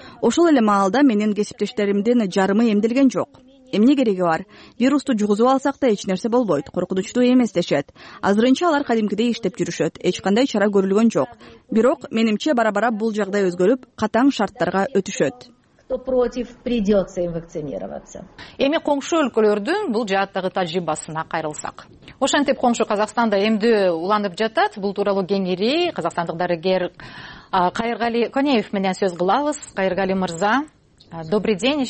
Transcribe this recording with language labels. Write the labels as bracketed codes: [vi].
[ky] Ошол эле маалда менин кесиптештеримдин жарымы эмделген жок. Эмне кереги бар? Вирусту жугузуп алсак да эч нерсе болбойт, коркунучтуу эмес дешет. Азырынча алар кадимкидей иштеп жүрүшөт, эч кандай чара көрүлгөн жок. Бирок, менимче бара-бара бул жагдай өзгөрүп, катаң шарттарга өтүшөт. [ru] Кто против, придется им вакцинироваться. [ky] Эми коңшу өлкөлөрдүн бул жааттагы тажрыйбасына кайрылсак. Ошентип коңшу Казакстанда эмди уланып жатат. Бул тууралуу кеңири казакстандык дарыгер Кайыргали Конеев менен сөз кылабыз. Кайыргали мырза, [ru] добрый день.